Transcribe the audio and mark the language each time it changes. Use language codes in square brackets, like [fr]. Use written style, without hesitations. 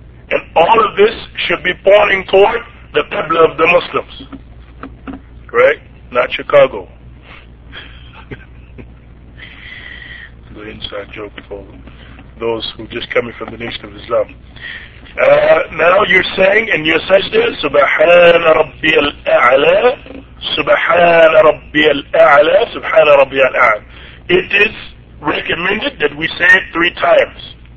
[en] And all of this should be pointing toward the Qibla of the Muslims. Right? Not Chicago. The inside joke for them. those who are just coming from the nation of Islam. Now you're saying in your sajda, [ar] سبحان ربي الأعلى, سبحان ربي الأعلى, سبحان ربي الأعلى. [en] It is recommended that we say it three times.